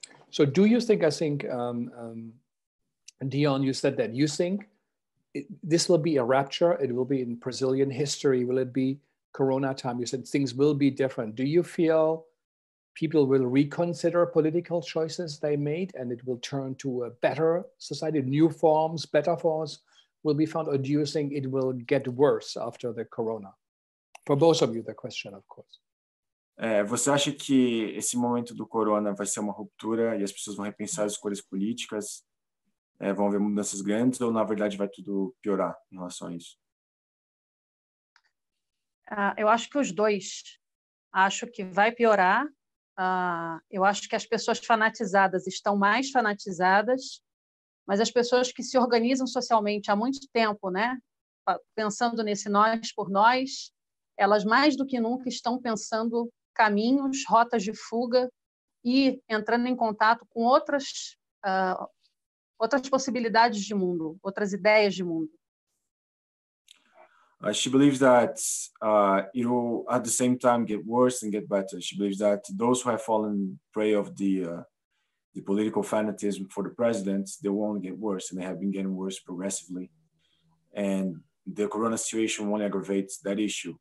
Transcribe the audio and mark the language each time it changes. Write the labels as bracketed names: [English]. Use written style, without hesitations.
[English] So do you think, Dion, you said that you think this will be a rapture, it will be in Brazilian history, will it be Corona time? You said things will be different. Do you feel people will reconsider political choices they made and it will turn to a better society, new forms, better forms will be found? Or do you think it will get worse after the Corona? For both of you, the question, of course. [Portuguese] Você acha que esse momento do corona vai ser uma ruptura e as pessoas vão repensar as escolhas políticas? Vão haver mudanças grandes ou, na verdade, vai tudo piorar em relação a isso? Eu acho que os dois. Acho que vai piorar. Eu acho que as pessoas fanatizadas estão mais fanatizadas, mas as pessoas que se organizam socialmente há muito tempo, né, pensando nesse nós por nós, elas mais do que nunca estão pensando caminhos, rotas de fuga e entrando em contato com outras, outras possibilidades de mundo, outras ideias de mundo. [English] She believes that it will at the same time get worse and get better. She believes that those who have fallen prey of the political fanatism for the president, they will only get worse, and they have been getting worse progressively. And the corona situation only aggravates that issue.